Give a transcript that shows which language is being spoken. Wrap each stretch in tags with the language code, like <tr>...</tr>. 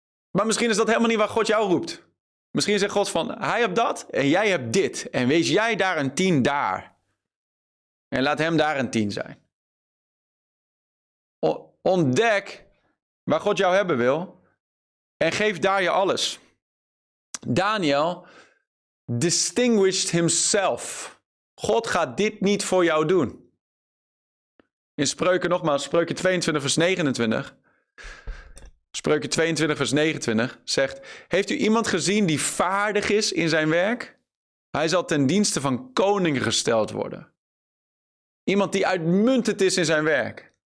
<nl>Maar misschien is dat helemaal niet waar God jou roept. Misschien zegt God van, hij hebt dat en jij hebt dit. En wees jij daar een 10 daar. En laat hem daar een 10 zijn. Ontdek waar God jou hebben wil en geef daar je alles.</nl> <en>Daniel distinguished himself.</en> <nl>God gaat dit niet voor jou doen. In Spreuken nogmaals, Spreuken 22 vers 29. Spreuken 22 vers 29 zegt: heeft u iemand gezien die vaardig is in zijn werk? Hij zal ten dienste van koningen gesteld worden. Iemand die uitmuntend is in zijn werk.</nl>